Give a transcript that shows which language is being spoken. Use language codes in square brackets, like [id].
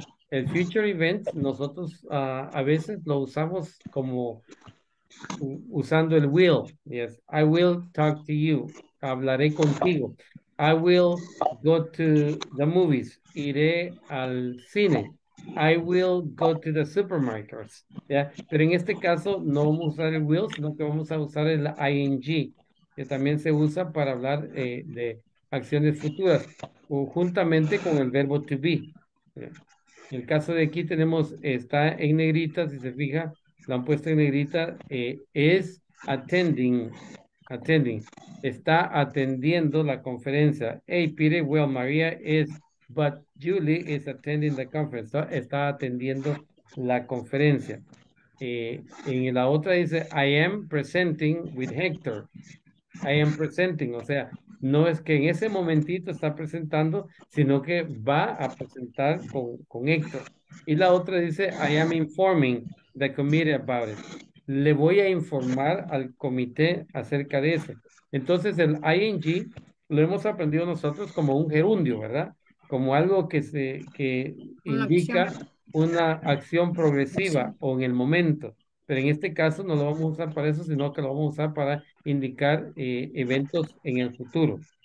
[es] El future event, nosotros a veces lo usamos como usando el will. [en] Yes, I will talk to you. [es] Hablaré contigo. [en] I will go to the movies. [es] Iré al cine. [en] I will go to the supermarkets. Yeah. [es] Pero en este caso no vamos a usar el will, sino que vamos a usar el ing, que también se usa para hablar de acciones futuras, o juntamente con el verbo to be. En el caso de aquí tenemos, está en negrita, si se fija, lo han puesto en negrita, es attending, está atendiendo la conferencia. [en] Hey, Peter, well, Maria is, but Julie is attending the conference. [es] So, está atendiendo la conferencia. En la otra dice, [en] I am presenting with Hector. I am presenting, [es] o sea, no es que en ese momentito está presentando, sino que va a presentar con Héctor. Y la otra dice, [en] I am informing the committee about it. [es] Le voy a informar al comité acerca de eso. Entonces, el ing lo hemos aprendido nosotros como un gerundio, ¿verdad? Como algo que indica una acción progresiva o en el momento. Pero en este caso no lo vamos a usar para eso, sino que lo vamos a usar para indicar eventos en el futuro.